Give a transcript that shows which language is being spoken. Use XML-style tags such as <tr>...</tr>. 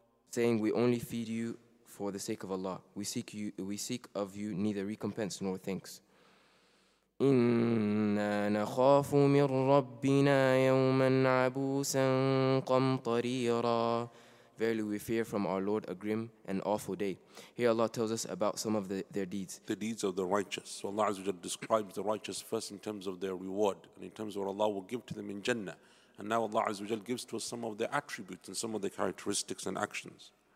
<en>Saying, we only feed you for the sake of Allah. We seek of you neither recompense nor thanks.</en> <ar>إنا نخاف من ربنا يوما عبوسا قمطريرا.</ar> <en>Verily we fear from our Lord a grim and awful day. Here Allah tells us about some of their deeds. The deeds of the righteous. So Allah Azza wa Jalla describes the righteous first in terms of their reward and in terms of what Allah will give to them in Jannah. And now Allah Azza wa Jalla gives to us some of their attributes and some of their characteristics and actions.</en>